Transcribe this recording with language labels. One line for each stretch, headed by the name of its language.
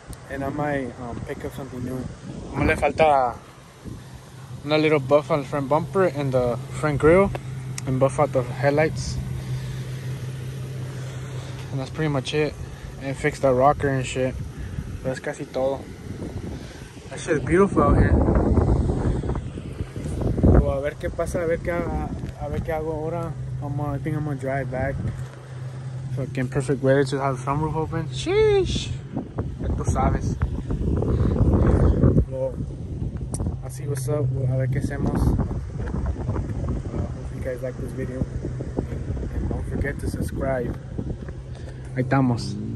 English: And I might pick up something new.
Spanish: Me le falta una
English: little buff on the front bumper and the front grill, and buff out the headlights. And that's pretty much it. And fix the rocker and shit. But that's
Spanish: casi todo.
English: That shit is beautiful out here.
Spanish: Well, a ver qué pasa, a ver qué hago ahora.
English: I think I'm gonna drive back. Fucking perfect weather to have the sunroof open. Sheesh.
Spanish: Tú sabes.
English: Well, I'll see what's up.
Spanish: A ver qué hacemos.
English: Hope you guys like this video. And don't forget to subscribe.
Spanish: Ahí estamos.